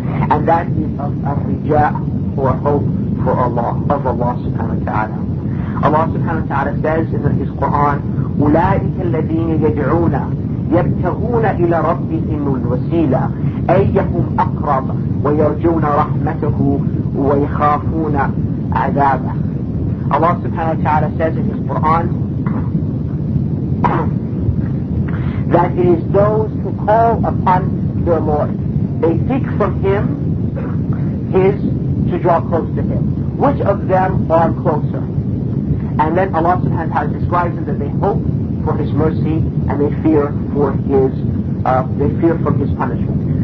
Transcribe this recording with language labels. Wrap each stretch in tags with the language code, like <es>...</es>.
<en>And that is of rija', or hope for Allah, of Allah subhanahu wa ta'ala. Allah subhanahu wa ta'ala says in his Quran,</en> <ar>أُولَٰئِكَ الَّذِينَ يَدْعُونَ يَبْتَغُونَ إِلَى رَبِّهِمُ الْوَسِيلَ أَيَّهُمْ أَقْرَبَ وَيَرْجُونَ رَحْمَتَهُ وَيَخَافُونَ عَذَابَهُ.</ar> <en>Allah subhanahu wa ta'ala says in his Quran that it is those who call upon their Lord. They seek from him his to draw close to him. Which of them are closer? And then Allah subhanahu wa ta'ala describes them that they hope for his mercy and they fear for his punishment.</en>